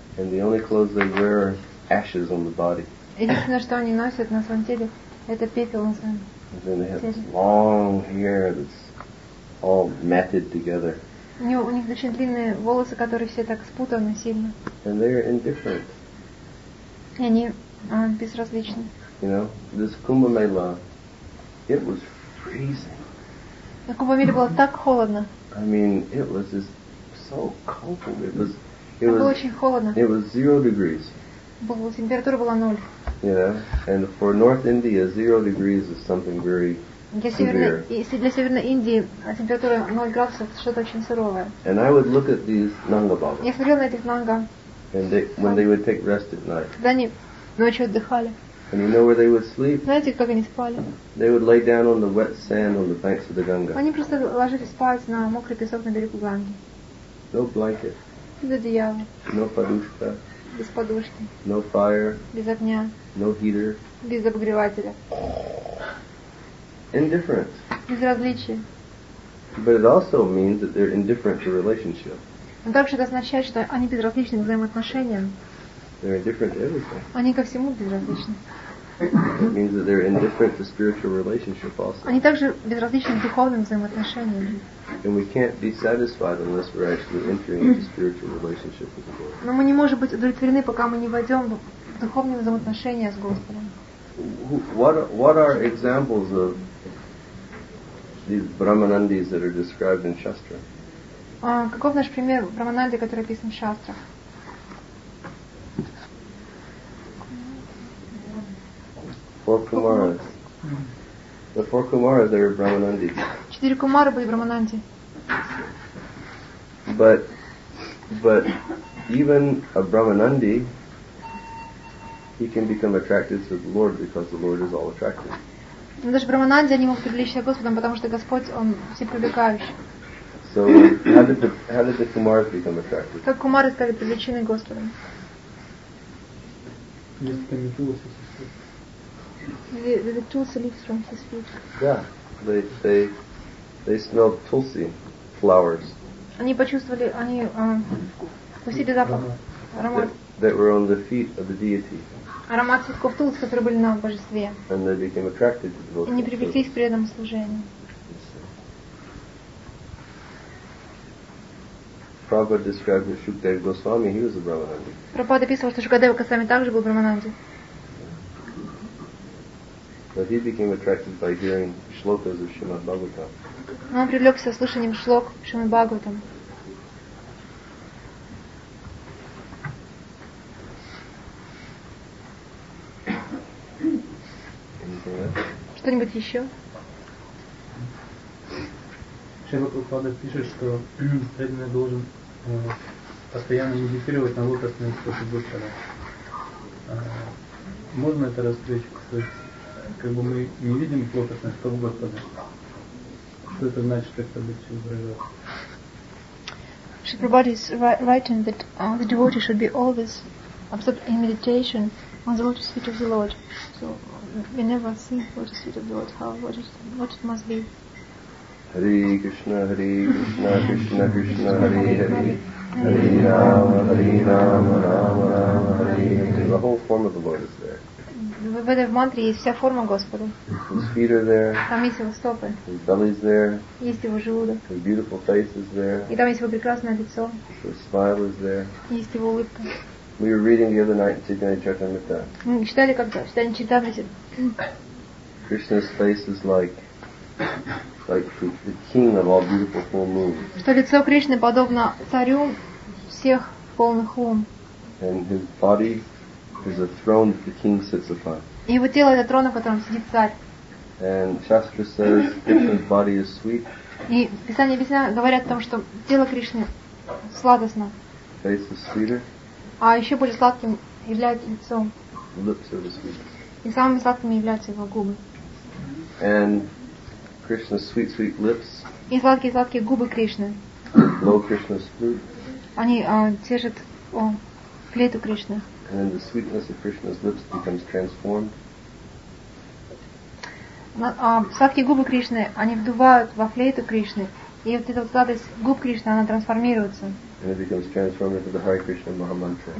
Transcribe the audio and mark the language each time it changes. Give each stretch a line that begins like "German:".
English: And the only clothes they wear are ashes on the body.
Russian: Единственное, что они носят на своем теле, это пепел на своем теле.
English: Then they have long hair that's all matted together.
Russian: У них очень длинные волосы, которые все так спутаны сильно.
English: And they are indifferent.
Russian: И они безразличны.
English: You know, this Kumbh Mela, it was freezing.
Russian: На Кумбх Меле было так холодно.
English: I mean, it was just so cold.
Russian: Было очень холодно.
English: It was 0 degrees.
Russian: Температура была ноль.
English: You know, and for North India, 0 degrees is something very
Russian: Для Северной Индии температура 0 градусов – что-то очень суровое.
English: And I would look at these Nanga Babas.
Russian: Я смотрел на этих Нанга.
English: And when they would take rest at night.
Russian: Когда они ночью отдыхали.
English: And you know where they would sleep?
Russian: Знаете, как они спали?
English: They would lay down on the wet sand on the banks of the Ganga.
Russian: Они просто ложились спать на мокрый песок на берегу Ганги.
English: No blanket.
Russian: Без одеяла.
English: No
Russian: подушка. Без подушки.
English: No fire.
Russian: Без огня.
English: No heater.
Russian: Без обогревателя.
English: Indifference.
Russian: Безразличие.
English: But it also means that they're indifferent to relationship.
Russian: Но также это означает, что они безразличны к взаимоотношениям.
English: They're indifferent to everything.
Russian: Они ко всему безразличны.
English: It means that they're indifferent to spiritual relationship also.
Russian: Они также безразличны к духовным взаимоотношениям.
English: And we can't be satisfied unless we're actually entering into spiritual relationship with the Lord.
Russian: Но мы не можем быть удовлетворены, пока мы не войдем в духовные взаимоотношения с Господом.
English: What are examples of these brahmanandis that are described in Shastra?
Russian: Каков наш пример брахмананды, который описан в шастрах?
English: Four kumaras. The four kumaras are brahmanandis.
Russian: Четыре кумары были брахмананди.
English: But even a brahmanandi, he can become attracted to the Lord because the Lord is all attractive.
Russian: Даже брахмананди они могут привлечься к Господу, потому что Господь, он всепривлекающий.
English: So how did the Kumaras become attracted?
Russian: Как Кумары стали привлечены Господом?
English: The tulsi leaves from his feet. Yeah, they smelled tulsi flowers.
Russian: Они почувствовали, они вкусили запах, аромат.
English: That were on the feet of the deity.
Russian: Аромат цветков тулс, которые были на божестве.
English: And they became attracted to the devotion.
Russian: Они привлеклись к преданному служению.
English: Prabhupada described that Shukdev Goswami, he was a Brahmananda.
Russian: Prabhupada описывал, что Шукдева Госвами также был Брахмананди.
English: But he became attracted by hearing shlokas of Srimad Bhagavatam.
Russian: Он привлекся слушанием шлок Шримад Бхагаватам. Что-нибудь еще? Шрила Прабхупада пишет, что преданный должен постоянно медитировать на лотосные стопы Господа. Можно это раскрыть? То есть, как бы мы не видим лотосные стопы Господа. Что это значит, как это будет изображаться?
English: Шрила Прабхупада is writing that the devotee should be always absorbed in meditation on the lotus feet of the Lord. So we never see what is feet of the Lord, how what it must be.
Sanskrit: Hare Krishna, Hare Krishna, Krishna Krishna, Hare Hare, Hare Rama, Hare Rama, Rama Rama, Hare Hare.
English: The whole form of the Lord is there.
Russian: В этой мантре есть вся форма Господа.
English: His feet are there.
Russian: Там есть его стопы.
English: His belly is there.
Russian: Есть его желудок.
English: His beautiful face is there.
Russian: И там есть его прекрасное лицо.
English: His smile is there.
Russian: Есть его улыбка.
English: We were reading the other night in Chaitanya Charitamrita.
Russian: Мы читали как-то, читали Чайтанья.
English: Krishna's face is like the king of all beautiful full moons.
Russian: Что лицо Кришны подобно царю всех полных лун.
English: And his body is a throne that the king sits upon.
Russian: И его тело это трон, на котором сидит царь.
English: And Shastra says Krishna's body is sweet.
Russian: И Писание объясняет, говорят о том, что тело Кришны сладостно.
English: Face is sweeter.
Russian: А еще более сладким является лицо. И самыми сладкими являются его губы.
English: And Krishna's sweet, sweet lips.
Russian: И сладкие, сладкие губы Кришны.
English: Blow Krishna's flute.
Russian: Они держат флейту Кришны.
English: And the sweetness of Krishna's lips becomes transformed.
Russian: Сладкие губы Кришны, они вдувают во флейту Кришны. И вот эта сладость губ Кришны, она трансформируется.
English: And it becomes transformed into the Hare Krishna Maha Mantra.